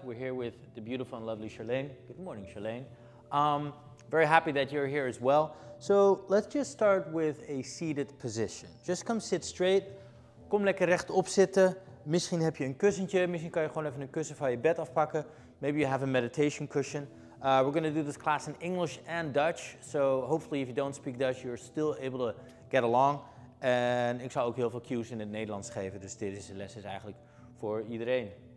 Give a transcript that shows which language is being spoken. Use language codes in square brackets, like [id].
[en] We're here with the beautiful and lovely Charlene. Good morning, Charlene. Very happy that you're here as well. So let's just start with a seated position. Just come sit straight. [nl] Kom lekker rechtop zitten. Misschien heb je een kussentje. Misschien kan je gewoon even een kussen van je bed afpakken. [en] Maybe you have a meditation cushion. We're gonna do this class in English and Dutch. So hopefully if you don't speak Dutch, you're still able to get along. [nl] En ik zal ook heel veel cues in het Nederlands geven, dus deze les is eigenlijk voor iedereen.